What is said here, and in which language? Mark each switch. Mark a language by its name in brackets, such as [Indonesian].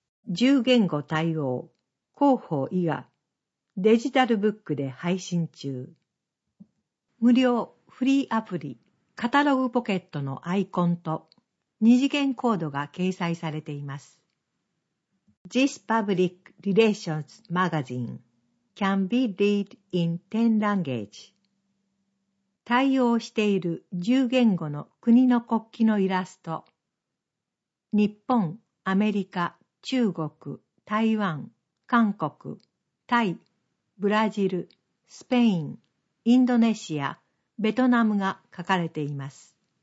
[Japanese] 10言語対応、広報伊賀、デジタルブックで配信中。無料フリーアプリ、カタログポケットのアイコンと二次元コードが掲載されています。 [English] This public relations magazine can be read in 10 languages. [Japanese] 対応している10言語の国の国旗のイラスト。日本、アメリカ、中国、台湾、韓国、タイ、ブラジル、スペイン、インドネシア、ベトナムが書かれています。